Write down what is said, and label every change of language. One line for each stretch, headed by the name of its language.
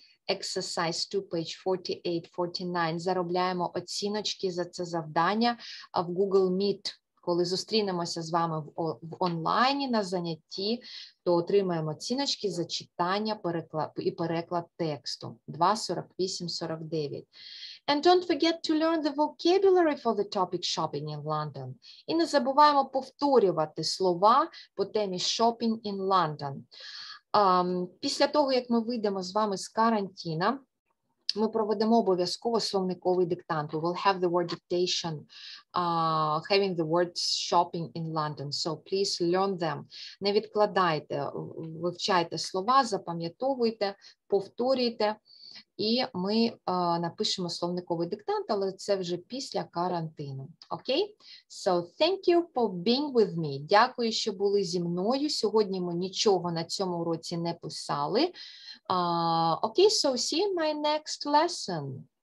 English: Exercise 2, page 48-49.
Ukrainian: Заробляємо оціночки за це завдання в Google Meet. Коли зустрінемося з вами в онлайні на занятті, то отримаємо оціночки за читання і переклад тексту. 2, 48-49.
English: And don't forget to learn the vocabulary for the topic shopping in London.
Ukrainian: І не забуваємо повторювати слова по темі shopping in London. Після того, як ми вийдемо з вами з карантину, ми проведемо обов'язково словниковий диктант.
English: We'll have the word dictation, having the word shopping in London. So please learn them.
Ukrainian: Не відкладайте, вивчайте слова, запам'ятовуйте, повторюйте. І ми напишемо словниковий диктант, але це вже після карантину.
English: Okay? So thank you for being with me.
Ukrainian: Дякую, що були зі мною. Сьогодні ми нічого на цьому уроці не писали.
English: Okay, so see you in my next lesson.